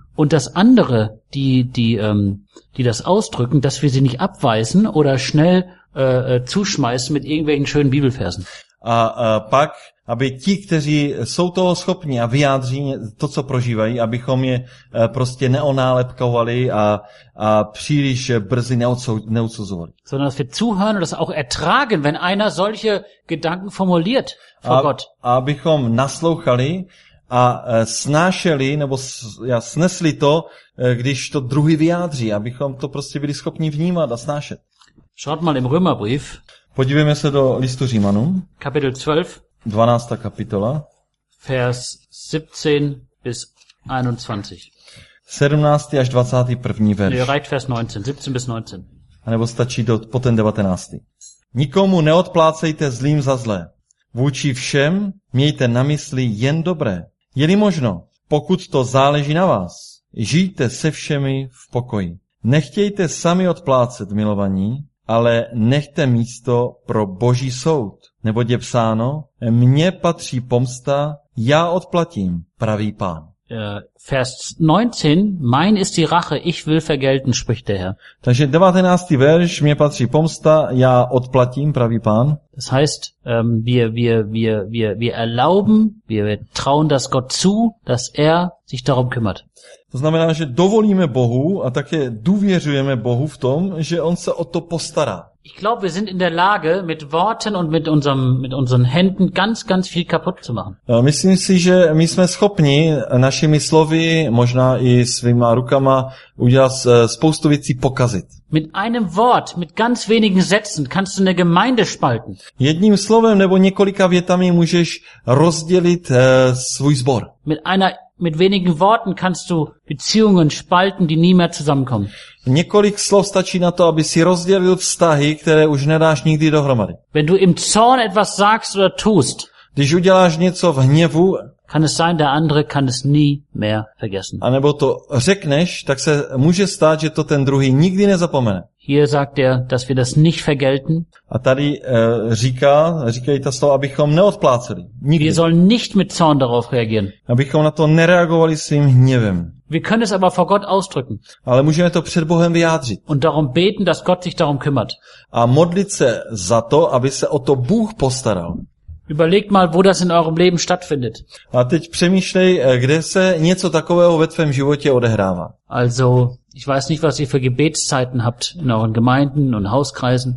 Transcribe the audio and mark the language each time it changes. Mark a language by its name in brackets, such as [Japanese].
[German] Und das andere, die das ausdrücken, dass wir sie nicht abweisen oder schnell zuschmeißen mit irgendwelchen schönen Bibelversen. [Czech] A pak aby ti, kteří jsou toho schopni a vyjádří to, co prožívají, abychom je prostě neonálepkovali a příliš brzy neodsuzovali. [German] Sondern dass wir zuhören und das auch ertragen, wenn einer solche Gedanken formuliert vor Gott. [Czech] Abychom naslouchali a snášeli nebo snesli to, když to druhý vyjádří, abychom to prostě byli schopni vnímat a snášet. [German] Schaut mal im Römerbrief. [Czech] Podívejme se do listu Římanům. [German] Kapitel 12. [Czech] 12. kapitola. [German] Vers 17 bis 21. [Czech] 17. až 21. verš. [German] Nee, reicht vers 19. 17 bis 19. [Czech] A nebo stačí po ten 19. Nikomu neodplácejte zlým za zlé. Vůči všem mějte na mysli jen dobré. Je-li možno, pokud to záleží na vás, žijte se všemi v pokoji. Nechtějte sami odplácet milovaní, ale nechte místo pro Boží soud. Neboť je psáno, mně patří pomsta, já odplatím, pravý Pán. [German] Vers 19, mein ist die Rache, ich will vergelten, spricht der Herr. [Czech] Takže 19. verš, mně patří pomsta, já odplatím, pravý Pán. [German] Das heißt, wir erlauben, wir trauen das Gott zu, dass er sich darum kümmert. [Czech] To znamená, že dovolíme Bohu a také důvěřujeme Bohu v tom, že on se o to postará. [German] Ich glaube, wir sind in der Lage, mit Worten und mit unseren Händen ganz, ganz viel kaputt zu machen. [Czech] Myslím si, že my jsme schopni našimi slovy, možná i svýma rukama, udělat spoustu věcí pokazit. [German] Mit einem Wort, mit ganz wenigen Sätzen, kannst du eine Gemeinde spalten. [Czech] Jedním slovem nebo několika větami můžeš rozdělit svůj sbor. [German] Mit wenigen Worten kannst du Beziehungen spalten, die nie mehr zusammenkommen. [Czech] Několik slov stačí na to, aby si rozdělil vztahy, které už nedáš nikdy dohromady. [German] Wenn du im Zorn etwas sagst oder tust, [Czech] když uděláš něco v hněvu, [German] kann es sein, der andere kann es nie mehr vergessen. [Czech] A nebo to řekneš, tak se může stát, že to ten druhý nikdy nezapomene. [German] Hier sagt er, dass wir das nicht vergelten. [Czech] A tady říkají to slovo, abychom neodpláceli. Nikdy. [German] Wir sollen nicht mit Zorn darauf reagieren. [Czech] Abychom na to nereagovali svým hněvem. [German] Wir können es aber vor Gott ausdrücken. [Czech] Ale můžeme to před Bohem vyjádřit. [German] Und darum beten, dass Gott sich darum kümmert. [Czech] A modlit se za to, aby se o to Bůh postaral. [German] Überlegt mal, wo das in eurem Leben stattfindet. [Czech] A teď přemýšlej, kde se něco takového ve tvém životě odehrává. [German] Also, ich weiß nicht, was ihr für Gebetszeiten habt in euren Gemeinden und Hauskreisen.